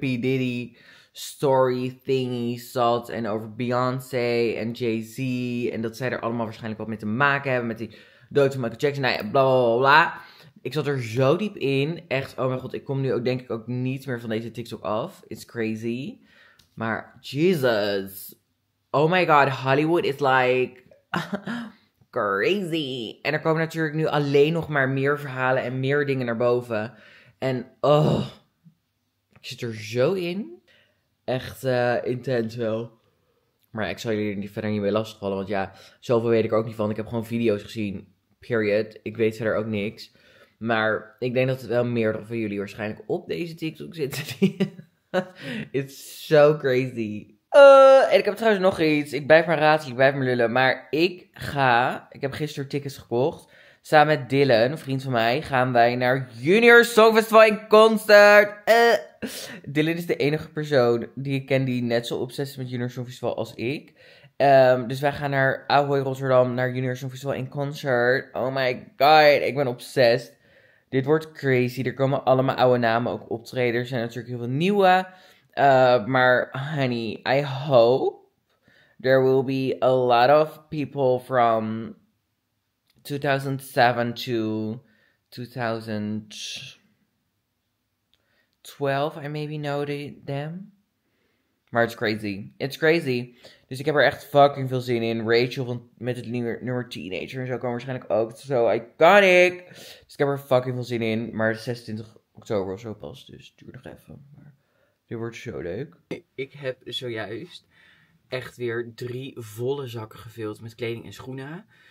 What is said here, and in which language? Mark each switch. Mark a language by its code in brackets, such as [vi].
[en] Diddy story thingy zat. [nl] En over Beyoncé en Jay-Z. En dat zij er allemaal waarschijnlijk wat mee te maken hebben met die dood van Michael Jackson. Nou ja, bla bla bla bla. Ik zat er zo diep in. Echt, oh mijn god. Ik kom nu ook denk ik ook niet meer van deze TikTok af. [en] It's crazy. Maar Jesus. Oh my god. Hollywood is like crazy. [nl] En er komen natuurlijk nu alleen nog maar meer verhalen en meer dingen naar boven. En oh. Ik zit er zo in. Echt intens wel. Maar ik zal jullie verder niet mee lastigvallen. Want ja, zoveel weet ik ook niet van. Ik heb gewoon video's gezien. Period. Ik weet verder ook niks. Maar ik denk dat het wel meerdere van jullie waarschijnlijk op deze TikTok zitten. [en] It's so crazy. [nl] En ik heb trouwens nog iets. Ik blijf maar raadsel, ik blijf maar lullen. Maar ik heb gisteren tickets gekocht. Samen met Dylan, een vriend van mij, gaan wij naar Junior Songfestival in concert. Dylan is de enige persoon die ik ken die net zo obsessief is met Junior Songfestival als ik. Dus wij gaan naar Ahoy Rotterdam, naar Junior Songfestival in concert. [en] Oh my god, [nl] ik ben obsessed. Dit wordt crazy. Er komen allemaal oude namen ook optreden. Er zijn natuurlijk heel veel nieuwe. [en] Maar honey, I hope there will be a lot of people from 2007 to 2012. I maybe know them. Maar it's crazy. It's crazy. [nl] Dus ik heb er echt fucking veel zin in. Rachel met het nummer Teenager en zo komen waarschijnlijk ook. Het is zo iconic. Dus ik heb er fucking veel zin in. Maar 26 oktober of zo pas. Dus het duurt nog even. Maar dit wordt zo leuk. Ik heb zojuist echt weer 3 volle zakken gevuld met kleding en schoenen.